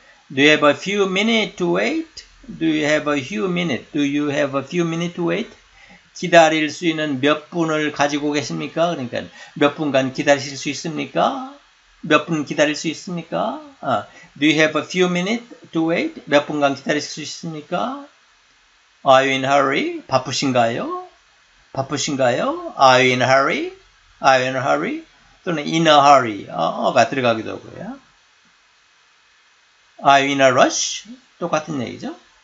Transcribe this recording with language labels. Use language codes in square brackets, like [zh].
[en] Do you have a few minutes to wait? Do you have a few minutes? Do you have a few minutes to wait? [ko] 기다릴 수 있는 몇 분을 가지고 계십니까? 그러니까 몇 분간 기다리실 수 있습니까? 몇 분 기다릴 수 있습니까? [en] Do you have a few minutes to wait? [ko] 몇 분간 기다리실 수 있습니까? [en] Are you in hurry? [ko] 바쁘신가요? 바쁘신가요? [en] Are you in hurry? Are you in hurry? 또는 in a hurry. [ko] 어가 들어가기도 하고요. [en] Are you in a rush? [ko] 똑같은 얘기죠.